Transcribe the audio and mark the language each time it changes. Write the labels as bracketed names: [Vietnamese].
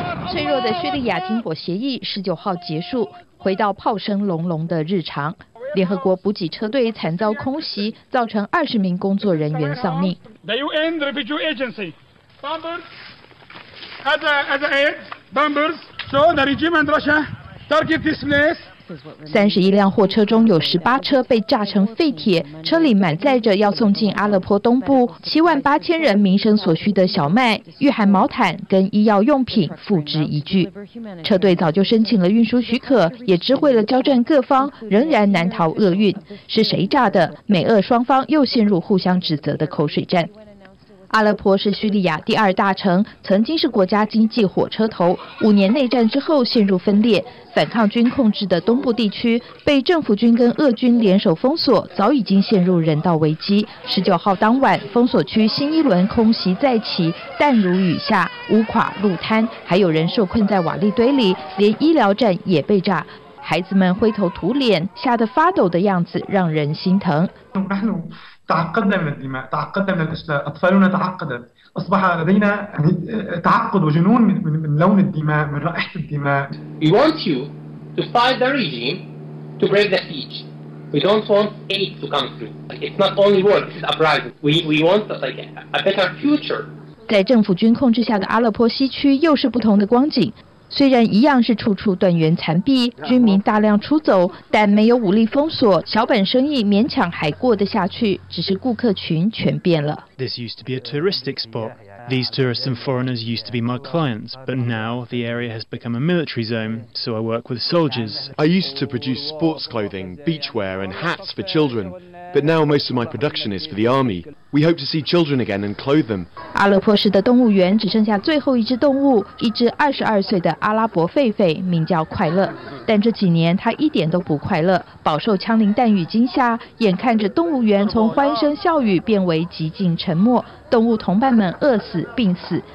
[Chinese] 脆弱的叙利�亚停火协议19号结束，回到炮声隆隆的日常。联合国补给车队惨遭空袭，造成20名工作人员丧命。 [English] The UN Refugee Agency bombers as aid bombers, so the regime and Russia target this place. [Chinese] 31辆货车中有18车被炸成废铁，车里满载着要送进阿勒颇东部78000人民生所需的小麦、御寒毛毯跟医药用品，付之一炬。车队早就申请了运输许可，也知会了交战各方，仍然难逃厄运。是谁炸的？美俄双方又陷入互相指责的口水战。阿勒颇是叙利亚第二大城，曾经是国家经济火车头，5年内战之后陷入分裂，反抗军控制的东部地区被政府军跟俄军联手封锁，早已经陷入人道危机。 19号当晚，封锁区新一轮空袭再起，弹如雨下，屋垮路瘫，还有人受困在瓦砾堆里，连医疗站也被炸，孩子们灰头土脸，吓得发抖的样子让人心疼。 [Arabic] تعقدنا من الدماء، تعقدنا من الأشلاء، أطفالنا تعقدت، أصبح لدينا تعقد وجنون من لون الدماء، من رائحة الدماء. [English] We want you to fight the regime to break the siege. We don't want aid to come through. It's not only war, it's uprising. We want a better future. [Chinese] 在政府军控制下的阿勒颇西区又是不同的光景。虽然一样是处处断垣残壁，居民大量出走，但没有武力封锁，小本生意勉强还过得下去，只是顾客群全变了。 [English] This used to be a touristic spot. These tourists and foreigners used to be my clients, but now the area has become a military zone, so I work with soldiers. I used to produce sports clothing, beachwear and hats for children, but now most of my production is for the army. We hope to see children again and clothe them. [Chinese] 阿勒颇市的动物园只剩下最后一只动物，一只22岁的阿拉伯狒狒，名叫快乐。但这几年它一点都不快乐，饱受枪林弹雨惊吓，眼看着动物园从欢声笑语变为寂静沉默，动物同伴们饿死病死。